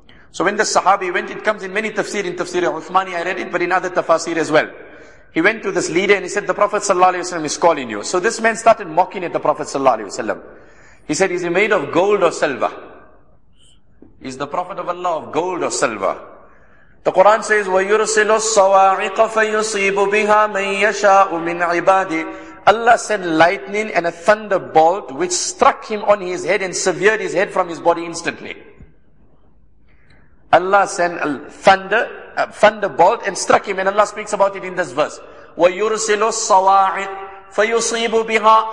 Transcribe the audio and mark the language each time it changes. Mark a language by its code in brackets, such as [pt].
[en] So when the sahabi went, it comes in many tafsir, in tafsir Uthmani, I read it, but in other tafsir as well. He went to this leader and he said, the Prophet sallallahu alayhi wa sallam is calling you. So this man started mocking at the Prophet sallallahu alayhi wa sallam. He said, is he made of gold or silver? Is the Prophet of Allah of gold or silver? The Quran says, [ar] وَيُرْسِلُ الصَّوَاعِقَ فَيُصِيبُ بِهَا مَنْ يَشَاءُ مِنْ عِبَادِ. [en] Allah sent lightning and a thunderbolt which struck him on his head and severed his head from his body instantly. Allah sent a thunderbolt and struck him, and Allah speaks about it in this verse. [ar] وَيُرْسِلُ الصَّوَاعِقَ فَيُصِيبُ بِهَا.